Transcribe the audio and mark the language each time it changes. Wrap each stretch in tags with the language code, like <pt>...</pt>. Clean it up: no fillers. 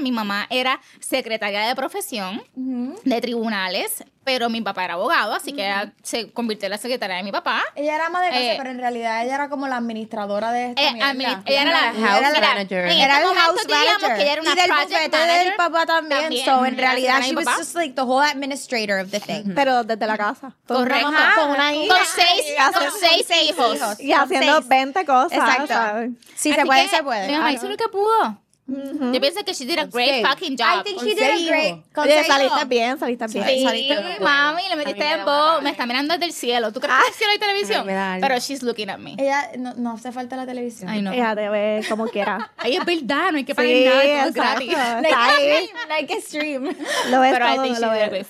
<es>Mi mamá era secretaria de profesión de tribunales. Pero mi papá era abogado, así que ella se convirtió en la secretaria de mi papá. Ella era ama de casa, pero en realidad ella era como la administradora de esta Ella era la</es> <en>house manager.</en> <es>Era el</es> <en>house manager.</en> <es>Que ella era una y del bufete del papá también.</es> <en>So,</en> <es>en realidad,</es> <en>she was just like the whole administrator of the thing.</en> <es>Mm-hmm. Pero desde la casa. Correcto. Con una hija. Con seis hijos. Y haciendo 20 cosas. Exacto. Si se puede, se puede. Mi mamá hizo lo que pudo.</es> <en>Mm-hmm.</en> <es>Yo pienso que</es> <en>she did a great fucking job. I think she did a great.</en> <es>Saliste bien. Sí, mami, le metiste en voz. Me está mirando desde el cielo. ¿Tú crees que el cielo hay televisión? Pero</es> <en>she's looking at me.</en> <es>Ella, no hace falta la televisión. Ay, no. Ella debe, como quiera. Ay, es verdad, no hay que pagar nada. Es gratis.</es> <en>Like a stream.</en> <es>Lo ves pero todo, lo ves.</es>